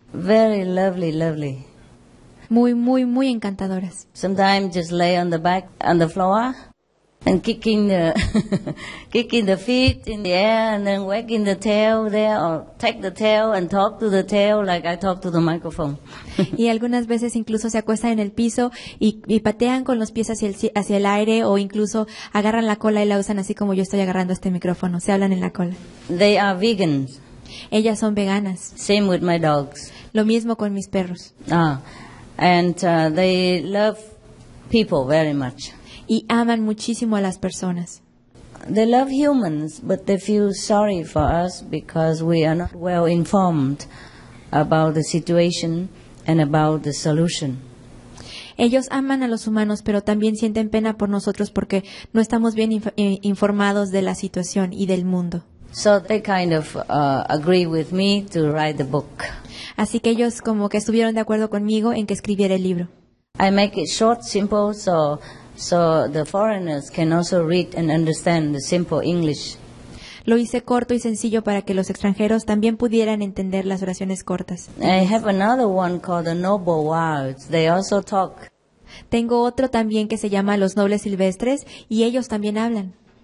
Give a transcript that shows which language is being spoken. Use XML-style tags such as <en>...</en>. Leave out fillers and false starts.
<en>Very lovely, lovely.</en> <es>Muy, muy, muy encantadoras.</es> <en>Sometimes just lay on the back on the floor and kicking the feet in the air and then wagging the tail there or take the tail and talk to the tail like I talk to the microphone.</en> <es>Y algunas veces incluso se acuestan en el piso y patean con los pies hacia el aire o incluso agarran la cola y la usan así como yo estoy agarrando este micrófono. Se hablan en la cola.</es> <en>They are vegans.</en> <es>Ellas son veganas.</es> <en>Same with my dogs.</en> <es>Lo mismo con mis perros.</es> <en>Ah. And they love people very much.</en> <es>Y aman muchísimo a las personas.</es> <en>They love humans, but they feel sorry for us because we are not well informed about the situation and about the solution.</en> <es>Ellos aman a los humanos, pero también sienten pena por nosotros porque no estamos bien informados de la situación y del mundo.</es> <en>So they kind of agree with me to write the book.</en> <es>Así que ellos como que estuvieron de acuerdo conmigo en que escribiera el libro.</es> <en>I make it short, simple, so the foreigners can also read and understand the simple English.</en> <es>Lo hice corto y sencillo para que los extranjeros también pudieran entender las oraciones cortas.</es> <en>I have another one called the Noble Wilds. They also talk.</en> <es>Tengo otro también que se llama Los Nobles Silvestres y ellos también hablan.</es>